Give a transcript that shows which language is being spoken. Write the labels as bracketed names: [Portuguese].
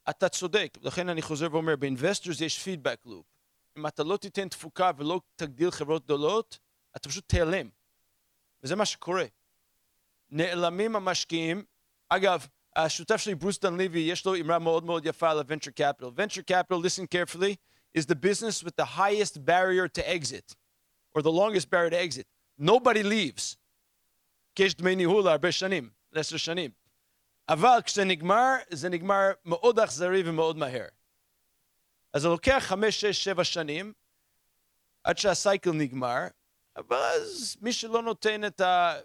[Hebrew] אתה צודק, לכן אני חוזר ואומר, באינבסטורס יש פידבק לופ. אם אתה לא תיתן תפוקה ולא תגדיל חברות גדולות, אתה פשוט תיעלם. וזה מה שקורה. נעלמים המשקיעים. אגב, השותף שלי, ברוס דן ליבי, יש לו אמרה מאוד מאוד יפה על ה-venture capital. [English] Venture capital, listen carefully, is the business with the highest barrier to exit, or the longest barrier to exit. Nobody leaves. [Hebrew] כי יש דמי ניהול הרבה שנים, 10 שנים. אבל כשזה נגמר, זה נגמר מאוד אכזרי ומאוד מהר. אז זה לוקח 5, 6, 7 שנים, עד שהסייקל נגמר, אבל אז מי שלא נותן את ה...